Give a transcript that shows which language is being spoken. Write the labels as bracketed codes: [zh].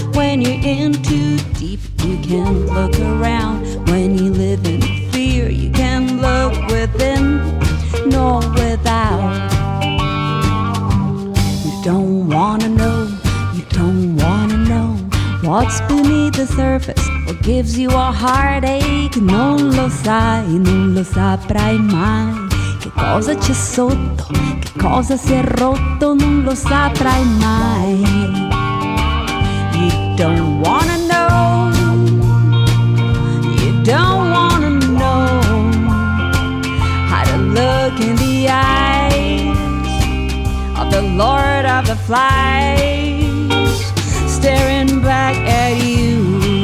[en] When you're in too deep, you can look around. When you live in fear, you can look within, nor without. You don't wanna know, you don't wanna know what's beneath the surface. What gives you a heartache? [it] Non lo sai, non lo saprai mai. Che cosa c'è sotto, che cosa si è rotto, non lo saprai mai. [en] You don't wanna know, you don't wanna know how to look in the eyes of the Lord of the Flies, staring back at you.